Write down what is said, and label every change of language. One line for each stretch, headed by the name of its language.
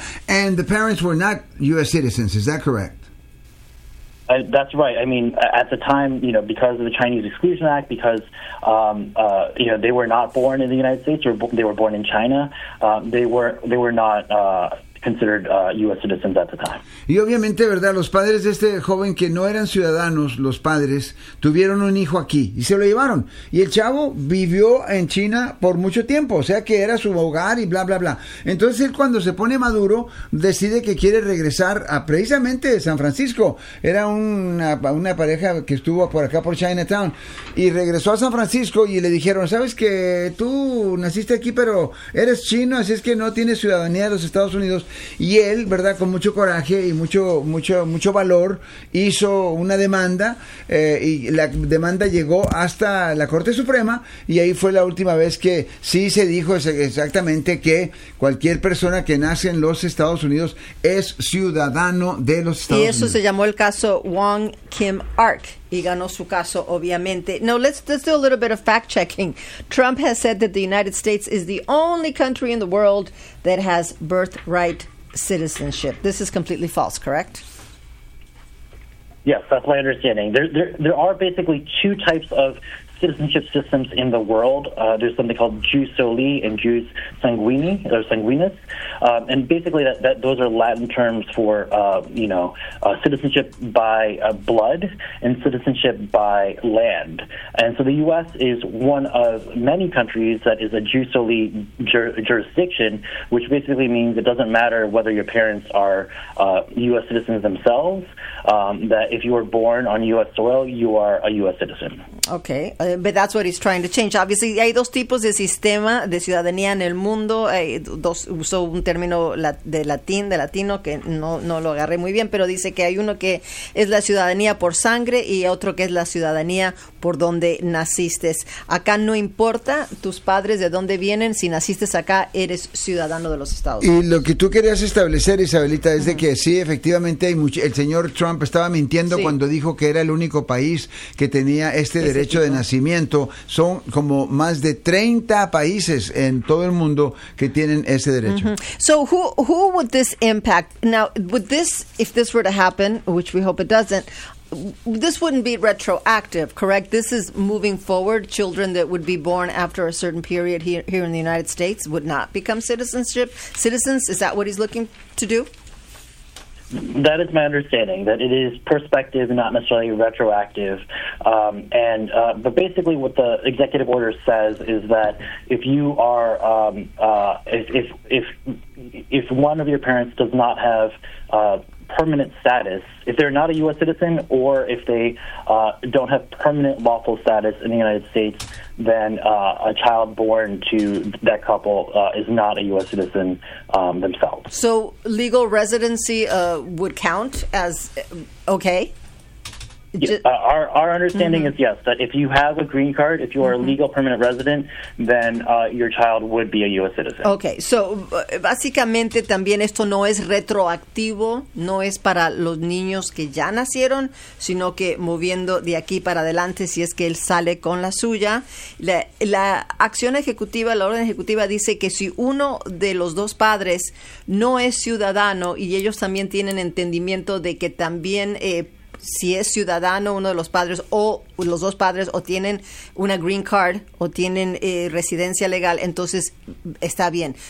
English: And the parents were not U.S. citizens. Is that correct? That's right. I mean, at the time, you know, because of the Chinese Exclusion Act, because, you know, they were not born in the United States, or they were born in China, they were not considered U.S. citizens at the time.
Spanish: Y obviamente, ¿verdad?, los padres de este joven que no eran ciudadanos, los padres, tuvieron un hijo aquí y se lo llevaron. Y el chavo vivió en China por mucho tiempo, o sea que era su hogar y bla, bla, bla. Entonces él, cuando se pone maduro, decide que quiere regresar a precisamente San Francisco. Era una pareja que estuvo por acá, por Chinatown, y regresó a San Francisco y le dijeron, ¿sabes qué? Tú naciste aquí, pero eres chino, así es que no tienes ciudadanía de los Estados Unidos. Y él, ¿verdad?, con mucho coraje y mucho valor, hizo una demanda, y la demanda llegó hasta la Corte Suprema, y ahí fue la última vez que sí se dijo exactamente que cualquier persona que nace en los Estados Unidos es ciudadano de los Estados Unidos. Y eso se llamó el caso Wong Kim Ark, y ganó su caso, obviamente.
English: Now, let's do a little bit of fact-checking. Trump has said that the United States is the only country in the world that has birthright citizenship. This is completely false, correct? Yes, that's my understanding. There are basically two types of citizenship systems in the world. There's something called Jus Soli and Jus Sanguini, or Sanguinis. And basically, that those are Latin terms for, citizenship by blood and citizenship by land. And so the U.S. is one of many countries that is a Jus Soli jurisdiction, which basically means it doesn't matter whether your parents are U.S. citizens themselves, that if you were born on U.S. soil, you are a U.S. citizen. Okay, but that's what he's trying to change.
Spanish: Obviously, hay dos tipos de sistema de ciudadanía en el mundo. Dos, usó un término de latino que no lo agarré muy bien, pero dice que hay uno que es la ciudadanía por sangre y otro que es la ciudadanía por donde naciste. Acá no importa tus padres de dónde vienen, si naciste acá eres ciudadano de los Estados Unidos. Y lo que tú querías establecer, Isabelita, es de que sí, efectivamente, el señor Trump estaba mintiendo, sí, cuando dijo que era el único país que tenía este derecho de nacimiento. Son como más de 30 países en todo el mundo que tienen ese derecho.
English: Mm-hmm. So who would this impact? Now, would this, if this were to happen, which we hope it doesn't, this wouldn't be retroactive, correct? This is moving forward. Children that would be born after a certain period here in the United States would not become citizens. Is that what he's looking to do? That is my understanding, that it is prospective, not necessarily retroactive. But basically what the executive order says is that if you are, if one of your parents does not have permanent status, if they're not a U.S. citizen or if they don't have permanent lawful status in the United States, then a child born to that couple is not a U.S. citizen themselves. So legal residency would count as okay? Our understanding is yes, that if you have a green card, if you are a legal permanent resident, then your child would be a U.S. citizen. Okay, so
Spanish: básicamente también esto no es retroactivo, no es para los niños que ya nacieron, sino que moviendo de aquí para adelante, si es que él sale con la suya. La acción ejecutiva, la orden ejecutiva dice que si uno de los dos padres no es ciudadano y ellos también tienen entendimiento de que también si es ciudadano uno de los padres o los dos padres o tienen una green card o tienen residencia legal, entonces está bien.